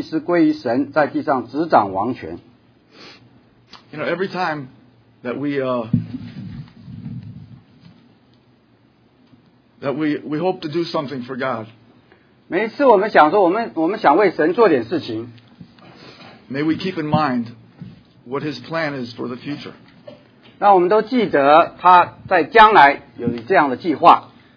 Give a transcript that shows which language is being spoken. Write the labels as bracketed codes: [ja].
[zh] 他们唱新歌说,你配拿书卷,配开七义,因为你曾被杀,用自己的血从各族各方各民各国中买了人来,叫他们归于神,又叫他们成为国民做祭司归于神,在地上执掌王权。 [en] You know, every time that we hope to do something for God, [zh] 每一次我们想说我们想为神做点事情, [en] may we keep in mind what his plan is for the future. [zh] 让我们都记得他在将来有这样的计划。